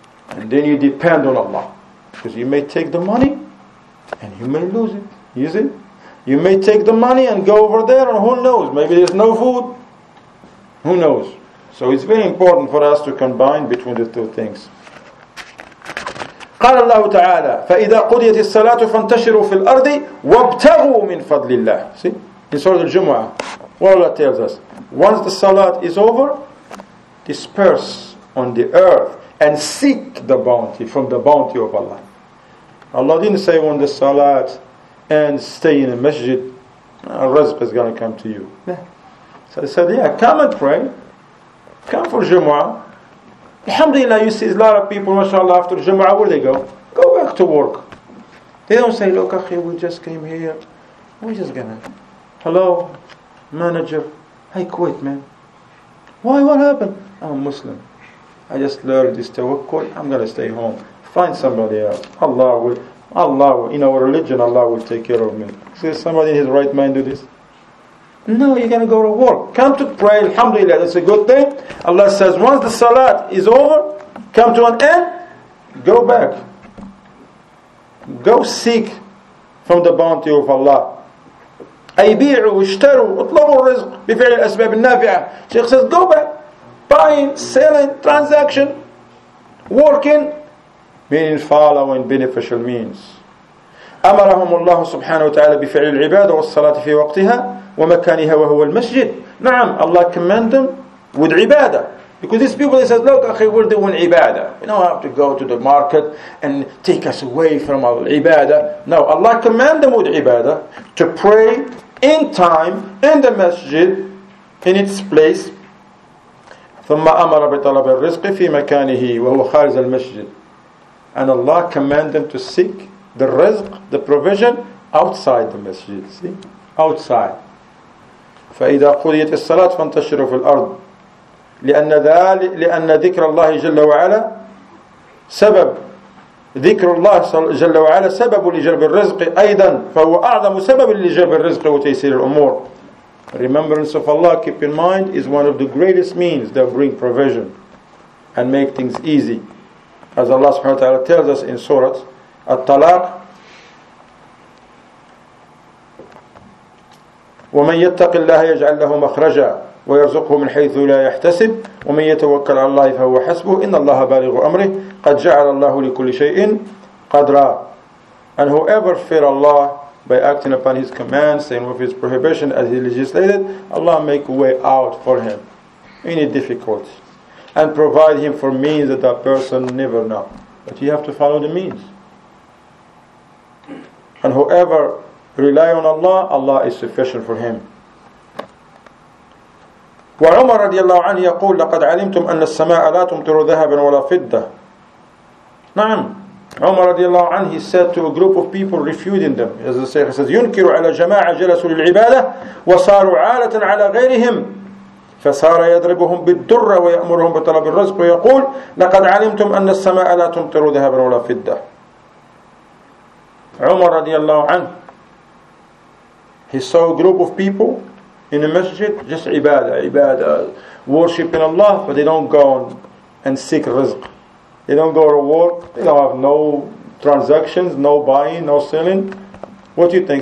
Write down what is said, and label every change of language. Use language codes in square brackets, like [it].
[en] And then you depend on Allah. Because you may take the money and you may lose it. You see? You may take the money and go over there, and who knows? Maybe there's no food. Who knows? So it's very important for us to combine between the two things. [ar] قال الله تعالى فإذا قضيت الصلاة فانتشروا في الأرض وابتغوا من فضل الله. [en] See? In Surah Al-Jumu'ah, what Allah tells us, once the salat is over, disperse on the earth and seek the bounty from the bounty of Allah. Allah didn't say on the salat and stay in a masjid, a rizq is going to come to you. So he said, yeah, come and pray. Come for Jumu'ah. Alhamdulillah, you see a lot of people, mashallah, after Jumu'ah, where they go? Go back to work. They don't say, look, akhi, we just came here. We're just going to, hello, manager, I quit, man. Why, what happened? I'm Muslim. I just learned this tawakkul. I'm going to stay home. Find somebody else. Allah will, in our religion, Allah will take care of me. See, somebody in his right mind do this? No, you're going to go to work. Come to pray. Alhamdulillah, that's a good thing. Allah says, once the salat is over, come to an end, go back. Go seek from the bounty of Allah. [ar] أَيْبِيعُ وِشْتَرُوا اطلبوا الرزق بفعل الأسباب النافعة. [en] Sheikh says, go back. Buying, selling, transaction, working, meaning following beneficial means. [ar] أمرهم الله سبحانه وتعالى بفعل العبادة والصلاة في وقتها ومكانها وهو المسجد. نعم, [en] Allah commanded them with عبادة. Because these people, they said, look, أخي, we're doing عبادة. We don't have to go to the market and take us away from our عبادة. No, Allah commanded them with عبادة to pray in time in the masjid in its place. [ar] ثم أمر بطلب الرزق في مكانه وهو خارج المسجد. [en] And Allah commanded them to seek the rizq, the provision, outside the masjid. See? Outside. [ar] فإذا قضيت الصلاة فانتشروا في الأرض لأن ذكر الله جل وعلا سبب ذكر الله جل وعلا سبب لجلب الرزق أيضا فهو أعظم سبب لجلب الرزق وتيسير الأمور. [en] Remembrance of Allah, keep in mind, is one of the greatest means that bring provision and make things easy. As Allah subhanahu wa ta'ala tells us in Surah At-Talaq, [ar] وَمَنْ يَتَّقِ اللَّهَ يَجْعَلْ لَهُ مَخْرَجًا ويرزقه من حيث لا يحتسب ومن يتوكل على الله فهو حسبه إن الله بالغ أمره قد جعل الله لكل شيء قدرا. [en] And whoever fear Allah by acting upon His commands and with His prohibition as He legislated, Allah make a way out for him, any difficulty, and provide him for means that that person never know. But he have to follow the means. And whoever rely on Allah, Allah is sufficient for him. [ar] وعمر رضي الله عنه يقول لقد علمتم أن السماء لا تمطر ذهبا ولا فضة. نعم. [en] Umar radiallahu anhu, he said to a group of people refuting them, as the Shaykh says, [ar] يُنكِرُ عَلَى جَمَاعَ جَلَسُوا لِلْعِبَادَةِ وَصَارُوا عَالَةً عَلَى غَيْرِهِمْ فَصَارَ يَدْرِبُهُمْ بِالدُّرَّ وَيَأْمُرُهُمْ بِطَلَبِ الرَّزْقِ وَيَقُولُ لَقَدْ عَلِمْتُمْ أَنَّ السَّمَاءَ لَا تُمْطِرُ ذَهَبًا وَلَا فِدَّةً. [en] Umar radiallahu anhu, he saw a group of people in a masjid, just ibadah, worshipping Allah, but they don't go on and seek rizq. They don't go to work, they don't have no transactions, no buying, no selling. What do you think?